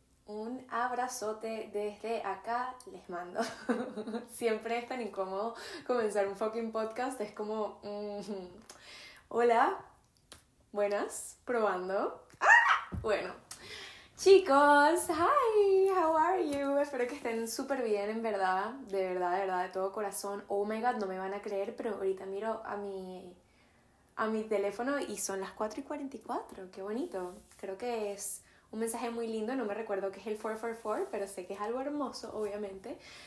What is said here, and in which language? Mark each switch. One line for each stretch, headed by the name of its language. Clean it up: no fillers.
Spanish: Un abrazote desde acá les mando. Siempre es tan incómodo comenzar un fucking podcast, es como... Hola, buenas, probando. ¡Ah! Bueno, chicos,
English: hi, how are you?
Spanish: Espero que estén súper bien, en verdad, de verdad, de verdad, de todo corazón.
English: Oh my god,
Spanish: no me van a creer, pero ahorita miro a mi teléfono y son las 4:44, qué bonito. Creo que es un mensaje muy lindo, no me recuerdo que es el 444, pero sé que es algo hermoso, obviamente.